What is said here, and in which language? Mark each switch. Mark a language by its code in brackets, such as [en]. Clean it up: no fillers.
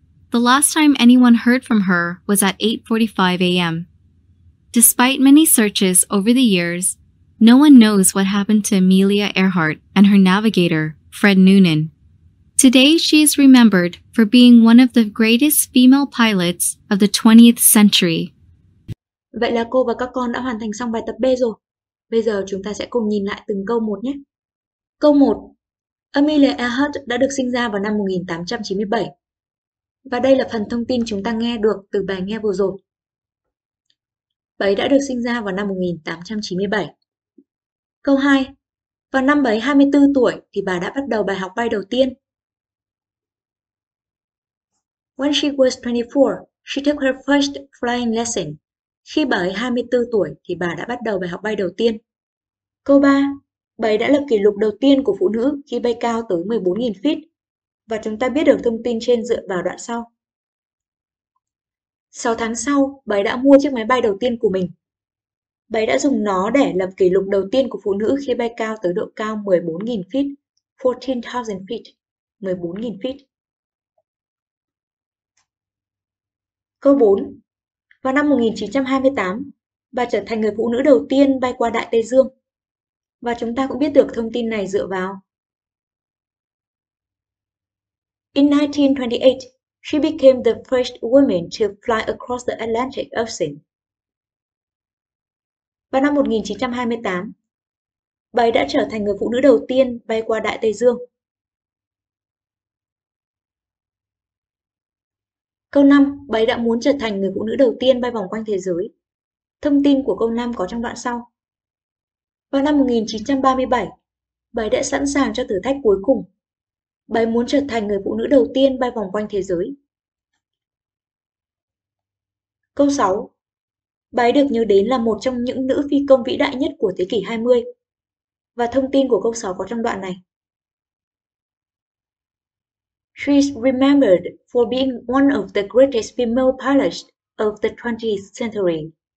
[en] The last time anyone heard from her was at 8:45 a.m. Despite many searches over the years, no one knows what happened to Amelia Earhart and her navigator, Fred Noonan. Today, she is remembered for being one of the greatest female pilots of the 20th century. [vi] Vậy là cô và các con đã hoàn thành xong bài tập B rồi. Bây giờ chúng ta sẽ cùng nhìn lại từng câu một nhé. Câu 1. Amelia Earhart đã được sinh ra vào năm 1897. Và đây là phần thông tin chúng ta nghe được từ bài nghe vừa rồi. Bà ấy đã được sinh ra vào năm 1897. Câu 2. Vào năm bà ấy 24 tuổi thì bà đã bắt đầu bài học bay đầu tiên. [en] When she was 24, she took her first flying lesson. [vi] Khi bà ấy 24 tuổi thì bà đã bắt đầu bài học bay đầu tiên. Câu 3. Bà ấy đã lập kỷ lục đầu tiên của phụ nữ khi bay cao tới 14.000 feet. Và chúng ta biết được thông tin trên dựa vào đoạn sau. 6 tháng sau, bà ấy đã mua chiếc máy bay đầu tiên của mình. Bé đã dùng nó để lập kỷ lục đầu tiên của phụ nữ khi bay cao tới độ cao 14.000 feet, 14.000 feet, 14.000 feet. Câu 4. Vào năm 1928, bà trở thành người phụ nữ đầu tiên bay qua Đại Tây Dương. Và chúng ta cũng biết được thông tin này dựa vào. [en] In 1928, she became the first woman to fly across the Atlantic Ocean. [vi] Vào năm 1928, bà ấy đã trở thành người phụ nữ đầu tiên bay qua Đại Tây Dương. Câu 5, bà ấy đã muốn trở thành người phụ nữ đầu tiên bay vòng quanh thế giới. Thông tin của câu 5 có trong đoạn sau. Vào năm 1937, bà ấy đã sẵn sàng cho thử thách cuối cùng. Bà ấy muốn trở thành người phụ nữ đầu tiên bay vòng quanh thế giới. Câu 6. Bà ấy được nhớ đến là một trong những nữ phi công vĩ đại nhất của thế kỷ 20. Và thông tin của câu 6 có trong đoạn này. [en] She is remembered for being one of the greatest female pilots of the 20th century.